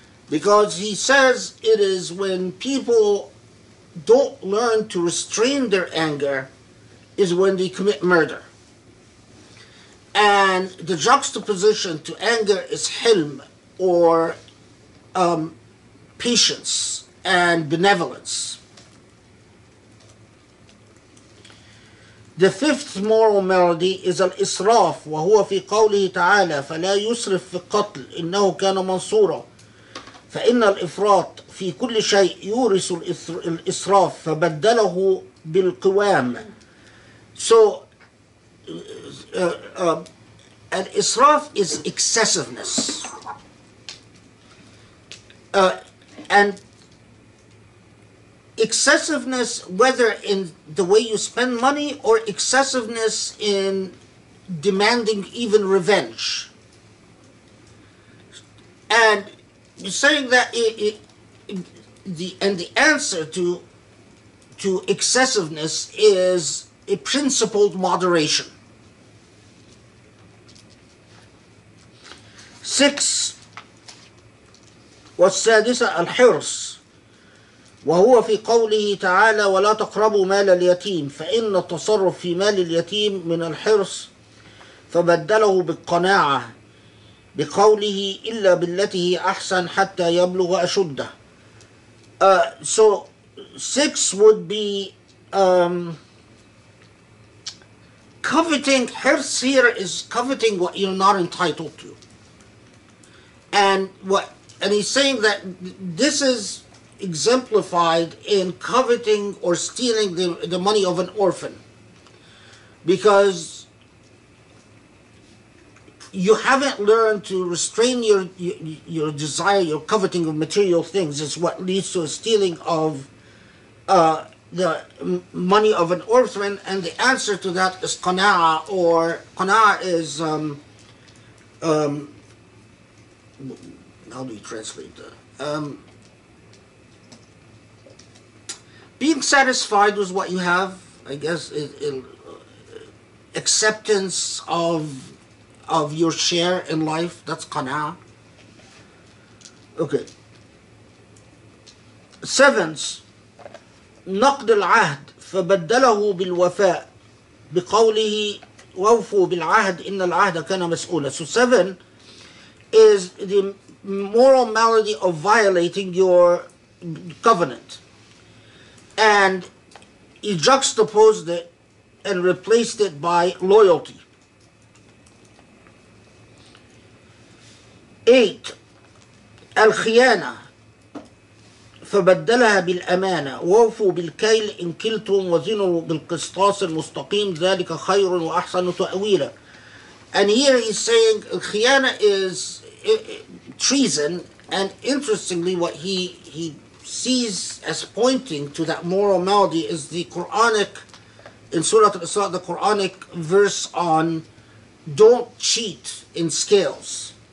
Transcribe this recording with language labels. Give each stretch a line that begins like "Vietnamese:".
English: Because he says it is when people don't learn to restrain their anger is when they commit murder. And the juxtaposition to anger is hilm, or patience and benevolence. The fifth moral malady is al-israf,
Arabic: وَهُوَ فِي قَوْلِهِ تَعَالَى فَلَا يُسْرِفْ فِي الْقَتْلِ إِنَّهُ كَانَ مَنْصُورًا فَإِنَّ الْإِفْرَاطِ فِي كُلِّ شَيْءٍ يُورِسُ الْإِسْرَافِ فَبَدَّلَهُ بِالْقِوَامِ.
English: So an israf is excessiveness. And excessiveness, whether in the way you spend money or excessiveness in demanding even revenge. And saying that the answer to excessiveness is a principled moderation.
Arabic: Six, والسادسة الحرص وهو في قوله تعالى ولا تقربوا مال اليتيم فإن التصرف في مال اليتيم من الحرص فبدله بالقناعة بقوله إلا بالتي هي أحسن حتى يبلغ أشده.
English: So six would be coveting. Hirs here is coveting what you're not entitled to. And he's saying that this is exemplified in coveting or stealing the money of an orphan. Because you haven't learned to restrain your desire, your coveting of material things is what leads to a stealing of the money of an orphan. And the answer to that is qana'a, or qana'a is... how do you translate that? Being satisfied with what you have, I guess, acceptance of your share in life, that's qana'a. Okay.
Arabic: Seventh, نقد العهد فبدله بالوفاء بقوله وفوا بالعهد إن العهد كان مسؤولا.
English: So seven is the moral malady of violating your covenant. And he juxtaposed it and replaced it by loyalty.
Arabic: Eight, الخيانة فبدلها بالأمانة ووفوا بالكيل إن كلتم وزنوا بالقسطاس المستقيم ذلك خير وأحسن تأويلا.
English: And here he's saying الخيانة is treason, and interestingly what he sees as pointing to that moral malady is the Quranic, in Surah Al-Isra, the Quranic verse on don't cheat in scales.